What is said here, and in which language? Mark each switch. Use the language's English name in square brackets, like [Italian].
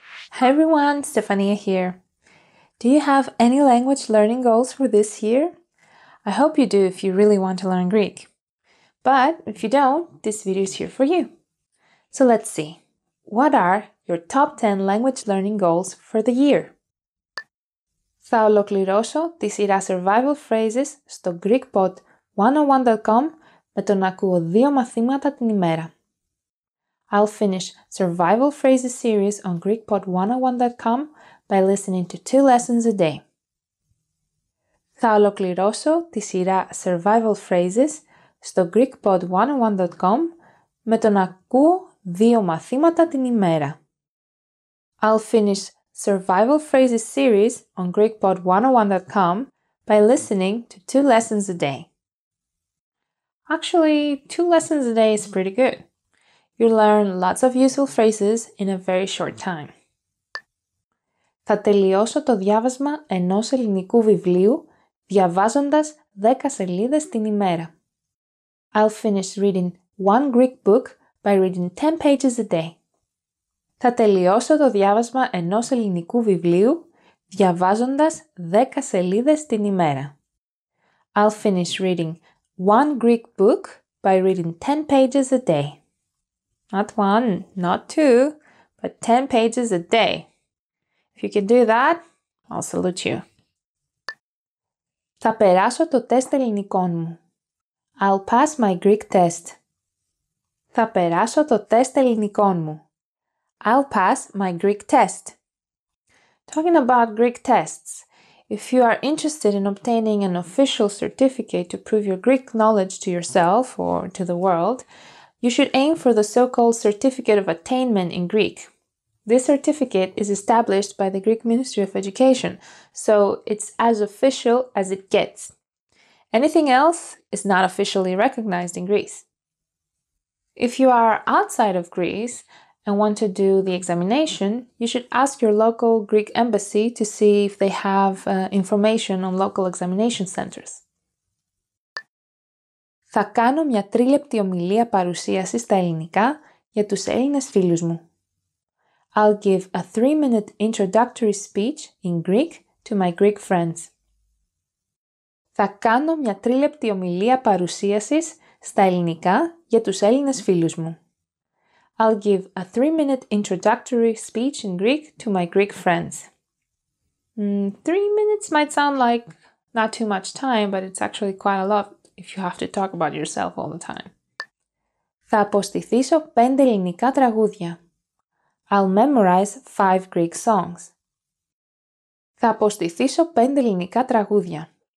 [English] Hi everyone, Stefania here. Do you have any language learning goals for this year? I hope you do if you really want to learn Greek. But if you don't, this video is here for you. So let's see. What are your top 10 language learning goals for the year? [Greek] Θα ολοκληρώσω τη σειρά survival phrases στο GreekPod101.com με το να ακούω 2 μαθήματα την ημέρα. [English] I'll finish Survival Phrases series on GreekPod101.com by listening to 2 lessons a day. [Greek] Θα ολοκληρώσω τη σειρά Survival Phrases στο GreekPod101.com με το να ακούω 2 μαθήματα την ημέρα. [English] I'll finish Survival Phrases series on GreekPod101.com by listening to 2 lessons a day. Actually, 2 lessons a day is pretty good. You learn lots of useful phrases in a very short time. [Greek] Θα τελειώσω το διάβασμα ενός ελληνικού βιβλίου διαβάζοντας 10 σελίδες την ημέρα. [English] I'll finish reading one Greek book by reading 10 pages a day. [Greek] Θα τελειώσω το διάβασμα ενός ελληνικού βιβλίου διαβάζοντας 10 σελίδες την ημέρα. [English] I'll finish reading one Greek book by reading 10 pages a day. Not one, not two, but 10 pages a day. If you can do that, I'll salute you. [Greek] Θα περάσω το τεστ ελληνικών μου. [English] I'll pass my Greek test. [Greek] Θα περάσω το τεστ ελληνικών μου. [English] I'll pass my Greek test. Talking about Greek tests, if you are interested in obtaining an official certificate to prove your Greek knowledge to yourself or to the world, you should aim for the so-called Certificate of Attainment in Greek. This certificate is established by the Greek Ministry of Education, so it's as official as it gets. Anything else is not officially recognized in Greece. If you are outside of Greece and want to do the examination, you should ask your local Greek embassy to see if they have information on local examination centers. [Greek] Θα κάνω μια τρίλεπτη ομιλία παρουσίαση στα ελληνικά για τους Έλληνες φίλους μου. [English] I'll give a 3-minute introductory speech in Greek to my Greek friends. [Greek] Θα κάνω μια τρίλεπτη ομιλία παρουσίαση στα ελληνικά για τους Έλληνες φίλους μου. [English] I'll give a 3-minute introductory speech in Greek to my Greek friends. 3 minutes might sound like not too much time, but it's actually quite a lot. If you have to talk about yourself all the time. [Greek] Θα αποστηθήσω 5 ελληνικά τραγούδια. [English] I'll memorize 5 Greek songs. [Greek] Θα αποστηθήσω 5 ελληνικά τραγούδια.